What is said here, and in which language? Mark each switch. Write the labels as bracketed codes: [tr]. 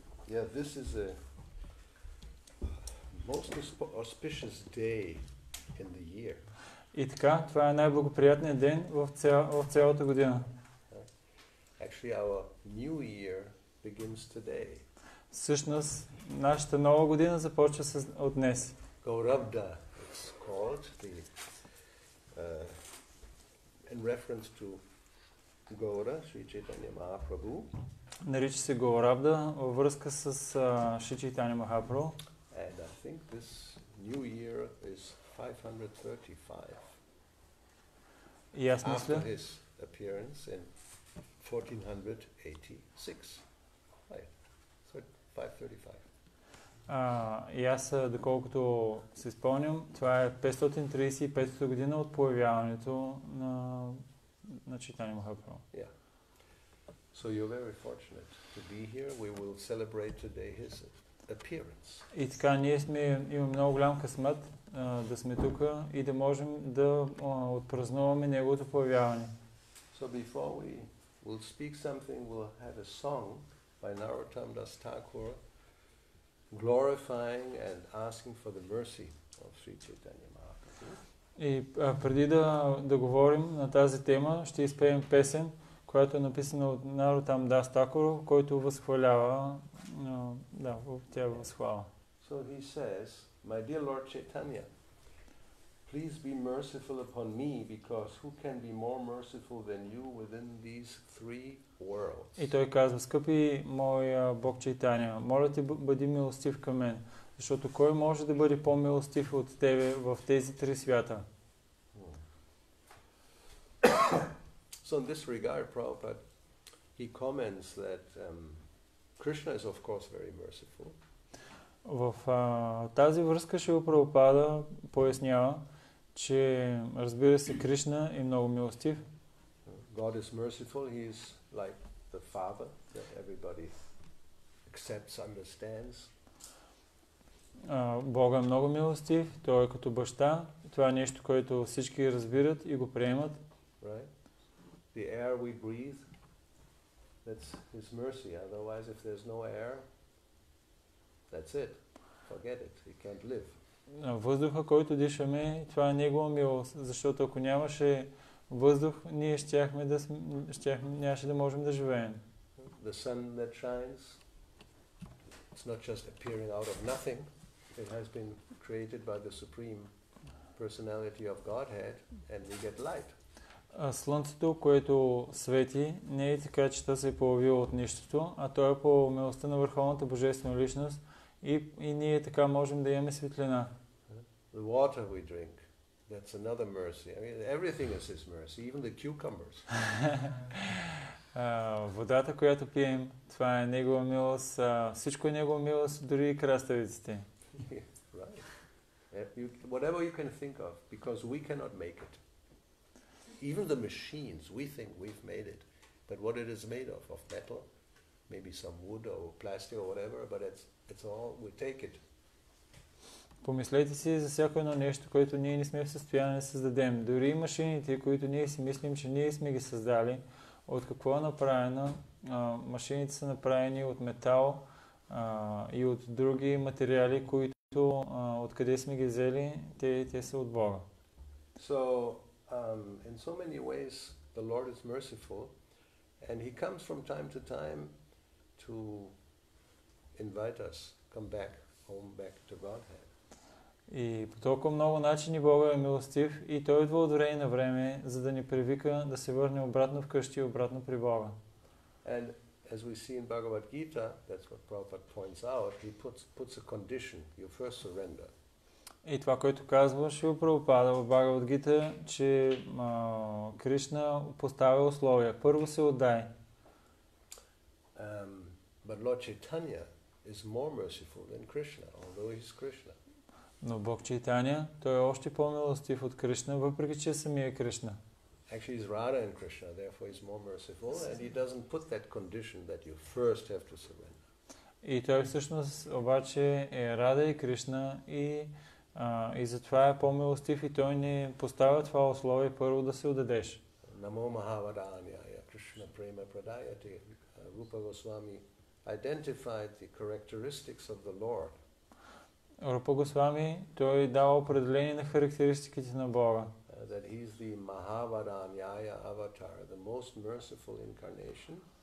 [en] Yeah, this is a most auspicious day in the year. [bg] И така, това е най-благоприятният ден в цялата година. [en] Actually, our new year begins today. [bg] Всъщност, нашата нова година започва от днес. [en] Gaurabda, it's called the in reference to Gaura, Sri Chaitanya Mahaprabhu. [bg] Нарича се Гаурабда във връзка с Шри Чайтанья Махапрабху. [en] And I think this new year is 535. [bg] Yes, мисля. [en] After his appearance in 1486. Right. 535. [bg] Доколкото се спомням, това е 535-та година от появяването на Чайтанья Махапрабху. [en] Yeah. So you're very fortunate to be here. We will celebrate today his appearance. [bg] И така, ние имаме много голям късмет да сме тук и да можем да отпразнуваме неговото появяване. [en] So before we will speak something, we'll have a song by Narottam Das Thakur glorifying and asking for the mercy of Sri Chaitanya Mahaprabhu. [bg] И преди да говорим на тази тема, ще изпеем песен, която е написана от Narottam Das Thakur, който възхвалява, да, тя възхвала. [en] So he says, my dear Lord Chaitanya, please be merciful upon me, because who can be more merciful than you within these three worlds? [bg] И той казва, скъпи мой Бог Чайтанья, моля те, бъди милостив към мен, защото кой може да бъде по-милостив от тебе в тези три свята? [en] So in this regard, Prabhupada, he comments that Krishna is of course very merciful. [bg] В тази връзка Шрила Прабхупада пояснява, че разбира се, Кришна е много милостив. [en] God is merciful, he is like the father that everybody accepts, understands. [bg] Бог е много милостив, той е като баща, това е нещо, което всички разбират и го приемат. [en] Right? The air we breathe, that's his mercy. Otherwise, if there's no air, that's it. Forget it. He can't live. [bg] Въздуха, който дишаме, това е негова милост. Защото ако нямаше въздух, ние нямаше да можем да живеем. [en] The sun that shines, it's not just appearing out of nothing. It has been created by the Supreme Personality of Godhead, and we get light. [bg] Слънцето, което свети, не е така, че то се е появило от нищото, а то е по милостта на Върховната Божествена Личност и ние така можем да имаме светлина. [en] The water we drink, that's another mercy. I mean, everything is his mercy, even the cucumbers. [bg] Водата, която пием, това е негова милост, всичко е негова милост, дори и краставиците. [en] Right. Whatever you can think of, because we cannot make it. Even the machines, we think we've made it, but what it is made of metal, maybe some wood or plastic or whatever, but it's all, we take it. [bg] Помислете си за всяко едно нещо, което ние не сме в състояние да създадем. Дори машините, които ние си мислим, че ние сме ги създали, от какво е направено, машините са направени от метал и от други материали, които откъде сме ги взели, те са от Бога. [en] So, in so many ways, the Lord is merciful, and He comes from time to time to invite us, come back, home, back to Godhead. [bg] И по толкова много начини Бога е милостив, и Той идва от време на време, за да ни привика да се върне обратно вкъщи и обратно при Бога. [en] And as we see in Bhagavad Gita, that's what Prabhupada points out, He puts a condition, you first surrender. [bg] И това, което казва Шрила Прабхупада в Бхагавад Гита, че Кришна поставя условия. Първо се отдай. [en] But Lord Chaitanya is more merciful than Krishna, although he's Krishna. [bg] Но Бог Чайтанья, той е още по-милостив от Кришна, въпреки че самия е Кришна. [en] Actually, he's Radha and Krishna, therefore he's more merciful, and he doesn't put that condition that you first have to surrender. [bg] И той всъщност обаче е Радха и Кришна и и затова е по-милостив и той не поставя това условие първо да се отдадеш. [sa] Намо Махавадания, Кришна Према Прадаяти, Рупа Госвами [en] identified the characteristics of the Lord. [bg] Рупа Госвами, той дава определение на характеристиките на Бога. [en] That he is the Mahavaranyaya avatar, the most merciful incarnation.